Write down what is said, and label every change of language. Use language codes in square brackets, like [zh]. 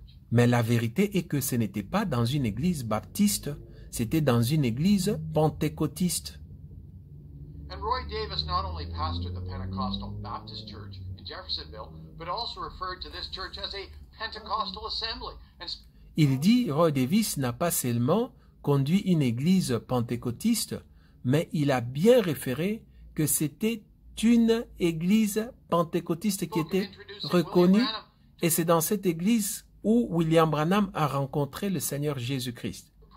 [fr] Mais la vérité est que ce n'était pas dans une église baptiste, c'était dans une église pentecôtiste. [en] And Roy Davis not only pastored the Pentecostal Baptist Church in Jeffersonville, but also referred to this church as a Pentecostal assembly. [fr] Il dit, Roy Davis n'a pas seulement conduit une église pentecôtiste, mais il a bien référé que c'était une église pentecôtiste qui était reconnue, et c'est dans cette église où William Branham a rencontré le Seigneur Jésus-Christ.